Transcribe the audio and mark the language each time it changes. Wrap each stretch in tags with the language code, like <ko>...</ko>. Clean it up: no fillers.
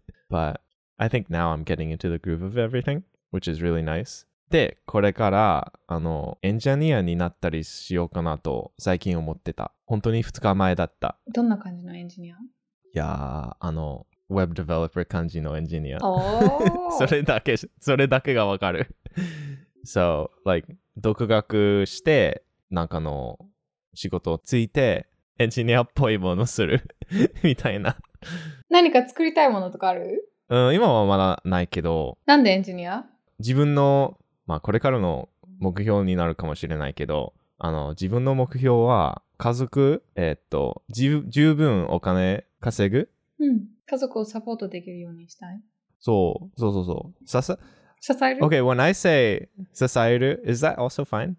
<en>But I think now I'm getting into the groove of everything, which is really nice.</en> <ja>で、これからあのエンジニアになったりしようかなと最近思ってた。本当に2日前だった。どんな感じのエンジニア？いやあのウェブデベロッパー感じのエンジニア。おそれだけがわかる。</ja> <en>So, like,</en> <ja>独学して、なんかの仕事をついて、エンジニアっぽいものする、みたいな。何か作りたいものとかある？うん、今はまだないけど。なんでエンジニア？自分の、まあ、これからの目標になるかもしれないけど、あの、自分の目標は、家族、十分お金稼ぐ？うん。家族をサポートできるようにしたい。そう、そうそうそう。支える?</ja> <en>Okay, when I say 支える, is that also fine?</en>